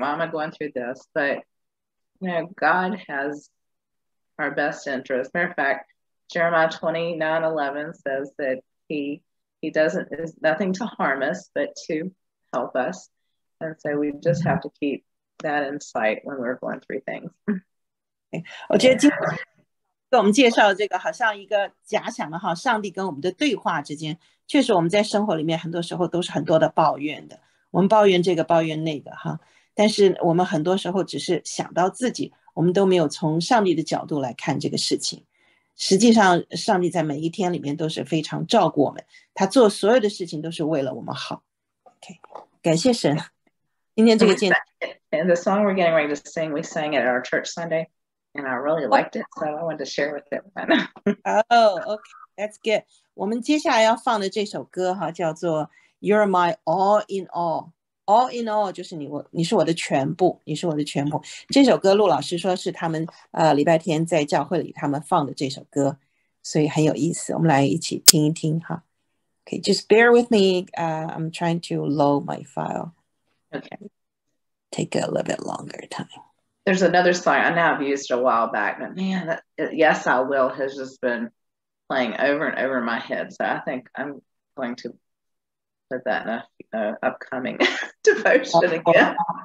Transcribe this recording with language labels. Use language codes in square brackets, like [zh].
[en] Why am I going through this? But, you know, God has our best interest. Matter of fact, Jeremiah 29:11 says that he doesn't is nothing to harm us, but to help us. And so we just have to keep that in sight when we're going through things. [zh] Okay. 我觉得今天跟我们介绍的这个好像一个假想的哈，上帝跟我们的对话之间，确实我们在生活里面很多时候都是很多的抱怨的，我们抱怨这个抱怨那个哈，但是我们很多时候只是想到自己，我们都没有从上帝的角度来看这个事情。实际上上帝在每一天里面都是非常照顾我们，他做所有的事情都是为了我们好。 OK, 感谢神今天这个见证。 [en] And the song we're getting ready to sing, we sang it at our church Sunday and I really liked it, so I wanted to share with everyone. Oh, OK, that's good. [zh] 我们接下来要放的这首歌叫做 You're My All in All. All in All 就是 你是我的全部，你是我的全部。这首歌陆老师说是他们礼拜天在教会里他们放的这首歌，所以很有意思，我们来一起听一听哈。 [en] OK, just bear with me, I'm trying to load my file. OK, take a little bit longer time. There's another song I now have used a while back, but man, Yes I Will has just been playing over and over in my head, so I think I'm going to put that in a upcoming devotion again.